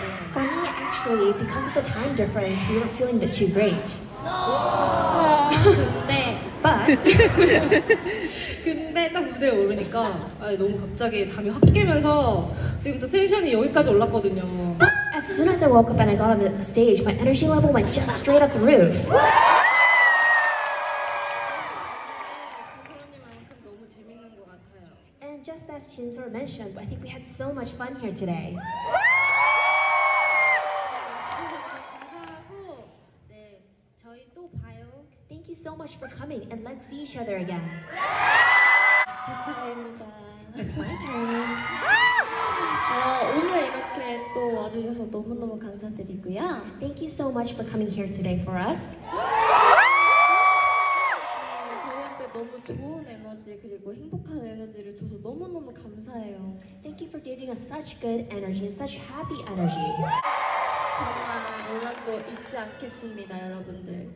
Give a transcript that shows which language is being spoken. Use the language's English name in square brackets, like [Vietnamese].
[English] For me, actually, because of the time difference, we weren't feeling it too great. No! But. [Korean] 근데 딱 무대에 오르니까 너무 갑자기 잠이 확 깨면서 지금 저 텐션이 여기까지 올랐거든요. [English] As soon as I woke up and I got on the stage, my energy level went just straight up the roof. Just as Shinsor mentioned, I think we had so much fun here today. Thank you so much for coming, and let's see each other again. It's my turn. [Korean] 오늘 이렇게 또 와주셔서 너무너무 감사드리고요. [English] Thank you so much for coming here today for us. [Korean] 너무 좋은 에너지 그리고 행복한 에너지를 줘서 너무너무 감사해요. [English] Thank you for giving us such good energy and such happy energy. [Korean] 정말 오랜도 잊지 않겠습니다, 여러분들.